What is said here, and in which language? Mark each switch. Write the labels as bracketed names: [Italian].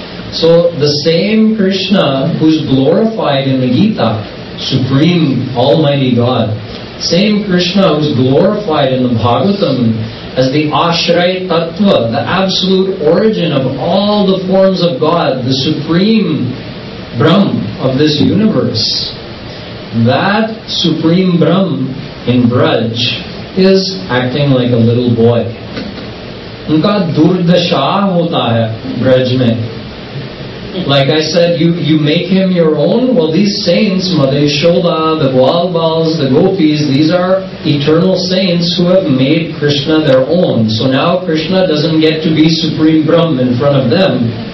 [English] So the same Krishna who's glorified in the Gita, Supreme Almighty God, same Krishna who's glorified in the Bhagavatam as the Ashray Tattva, the absolute origin of all the forms of God, the Supreme Brahm of this universe. That Supreme Brahm in Braj is acting like a little boy. [Hindi] उनका दुर्दशा होता है ब्रज में. [English] Like I said, you make him your own. Well, these saints, Mother Yashoda, the Gwalbals, the Gopis, these are eternal saints who have made Krishna their own. So now Krishna doesn't get to be Supreme Brahm in front of them.